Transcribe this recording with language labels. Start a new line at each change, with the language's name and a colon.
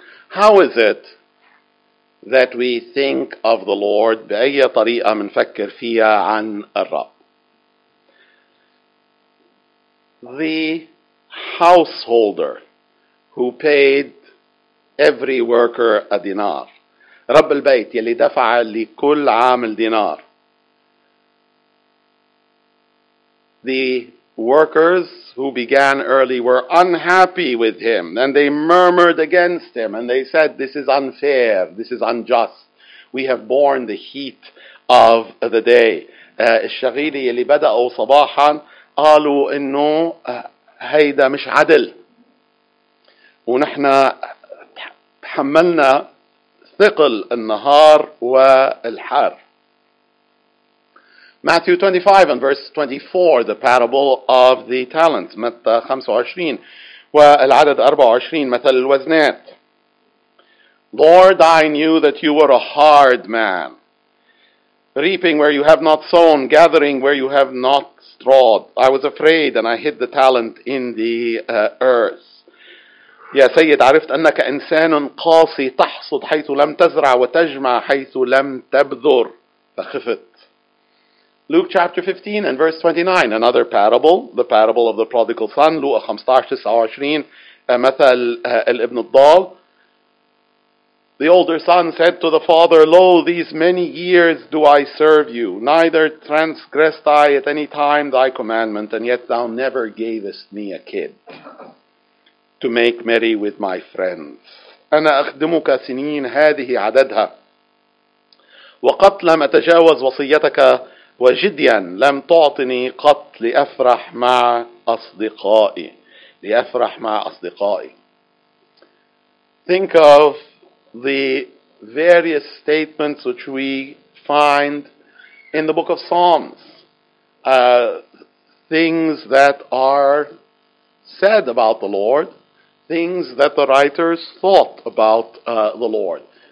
English: How is it that we think of the Lord
Arabic: بأي طريقة منفكر فيها عن الرب?
English: The householder who paid every worker a dinar.
Arabic: رب البيت يلي دفع لكل عامل دينار.
English: The workers who began early were unhappy with him, and they murmured against him, and they said, this is unfair, this is unjust, we have borne the heat of the day.
Arabic: الشغيلة اللي بدأوا صباحا قالوا انه هيدا مش عدل ونحن تحملنا ثقل النهار والحر.
English: Matthew 25 and verse 24, the parable of the talents.
Arabic: متى 25 والعدد 24 مثل الوزنات.
English: Lord, I knew that you were a hard man, reaping where you have not sown, gathering where you have not strawed. I was afraid and I hid the talent in the earth.
Arabic: يا سيد عرفت أنك إنسان قاسي تحصد حيث لم تزرع وتجمع حيث لم تبذر فخفت.
English: Luke chapter 15 and verse 29, another parable, the parable of the prodigal son.
Arabic: Luke 15:29, مثل الابن الضال.
English: The older son said to the father, lo, these many years do I serve you, neither transgressed I at any time thy commandment, and yet thou never gavest me a kid to make merry with my friends.
Arabic: أنا أخدمك سنين هذه عددها وقد لم أتجاوز وصيتك وجديا لم تعطني قط لأفرح مع أصدقائي لأفرح مع أصدقائي.
English: Think of the various statements which we find in the book of Psalms, things that are said about the Lord, things that the writers thought about the Lord.